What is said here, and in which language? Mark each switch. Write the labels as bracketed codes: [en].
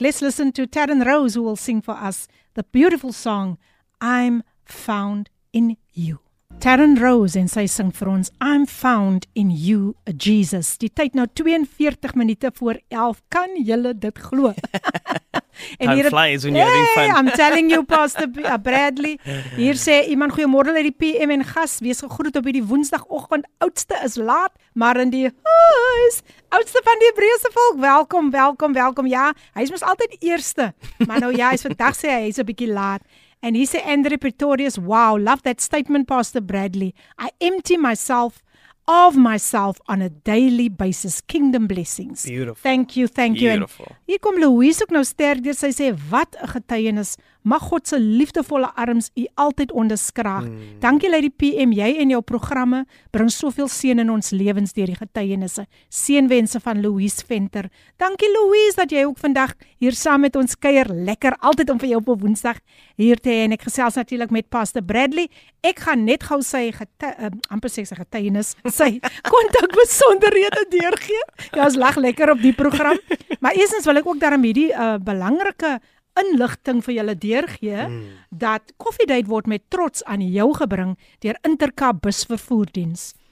[en] Let's listen to Taryn Rose, who will sing for us the beautiful song, I'm Found in You. [af] Taryn Rose en sy sing vir ons I'm Found in You, Jesus. Die tyd nou 42 minute voor 11. Kan julle dit glo? [en] Time flies when you're having fun. I'm telling you, Pastor Bradley. [af] Hier sê iemand, goeiemorgen uit die PM en gas. Wees gegroet op die woensdagochtend. Oudste is laat, maar in die huis. Oudste van die Hebreëse volk. Welkom, welkom, welkom. Ja, hy is mos altyd eerste. Maar nou ja, hy is vandag sê hy is 'n bietjie laat. [en] And he said, Andre Pretorius, wow, love that statement, Pastor Bradley. I empty myself of myself on a daily basis. Kingdom blessings. Beautiful. Thank you, thank you. Beautiful. [af] And hier kom Louise ook nou sterk deur. Sy sê, wat 'n getuienis. Mag God se liefdevolle arms u altyd onderskraag. Dankie, Lady PM, jy en jou programme bring soveel seën in ons lewens deur die getuienisse. Seënwense van Louise Venter. Dankie, Louise, dat jy ook vandag hier saam met ons kuier. Lekker altyd om vir jou op 'n Woensdag hier te hê. En ek gesels natuurlik met Pastor Bradley. Ek gaan net gou sy getuienis, sy kontak besonderhede deurgee. Ja, ons lag lekker op die program. Maar eersens wil ek ook daarom hierdie belangrike inligting vir julle deurgee dat Koffiedate word met trots aan jou gebring deur Intercab busvervoerdiens.